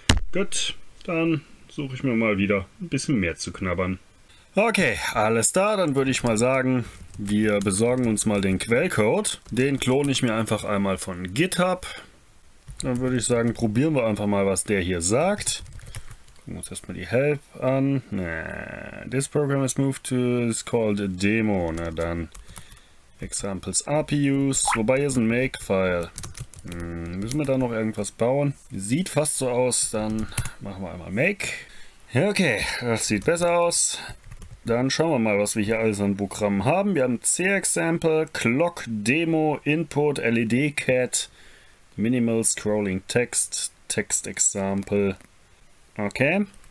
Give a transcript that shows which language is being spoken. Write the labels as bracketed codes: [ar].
[de] Gut, dann suche ich mir mal wieder ein bisschen mehr zu knabbern. Okay, alles da, dann würde ich mal sagen, wir besorgen uns mal den Quellcode. Den klone ich mir einfach einmal von GitHub. Dann würde ich sagen, probieren wir einfach mal, was der hier sagt. Gucken wir uns erstmal die Help an. [en] This program is moved to, is called a demo. [de] Na dann. Examples APIs, wobei hier ist ein Makefile. Müssen wir da noch irgendwas bauen? Sieht fast so aus, dann machen wir einmal Make. Okay, das sieht besser aus. Dann schauen wir mal, was wir hier alles an Programmen haben. Wir haben C-Example, Clock, Demo, Input, LED, Cat, Minimal Scrolling Text, Text Example. Okay.